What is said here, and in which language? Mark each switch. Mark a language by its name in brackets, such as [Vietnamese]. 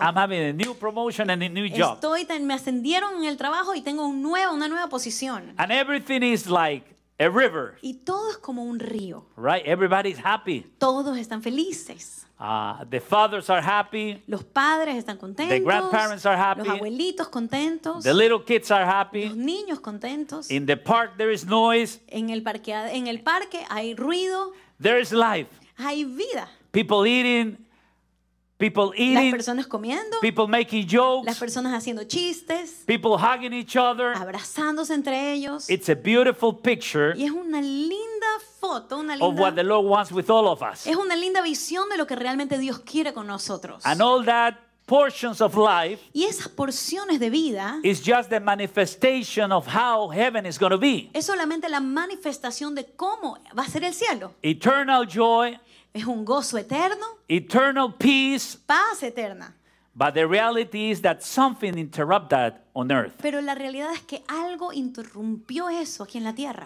[English] I'm having a new promotion and a new job. [Spanish] Me ascendieron en el trabajo y tengo una nueva posición. [English] And everything is like a river. [Spanish] Y todo es como un río. [English] Right? Everybody's happy. [Spanish] Todos están felices. [English] The fathers are happy. [Spanish] Los padres están contentos. [English] The grandparents are happy. [Spanish] Los abuelitos contentos. [English] The little kids are happy. [Spanish] Los niños contentos. [English] In the park there is noise. [Spanish] En el parque hay ruido. [English] There is life. [Spanish] Hay vida. [English] People eating. People eating. [Spanish] Las personas comiendo. [English] People making jokes. [Spanish] Las personas haciendo chistes. [English] People hugging each other. [Spanish] Abrazándose entre ellos. [English] It's a beautiful picture. [Spanish] Y es una linda foto, una linda [English] of what the Lord wants with all of us. [Spanish] Es una linda visión de lo que realmente Dios quiere con nosotros. [English] And all that portions of life. [Spanish] Y esas porciones de vida. [English] Is just the manifestation of how heaven is going to be. [Spanish] Es solamente la manifestación de cómo va a ser el cielo. [English] Eternal joy. [Spanish] Es un gozo eterno. [English] Eternal peace. [Spanish] Paz eterna. [English] But the reality is that something interrupted that on earth. [Spanish] Pero la realidad es que algo interrumpió eso aquí en la tierra.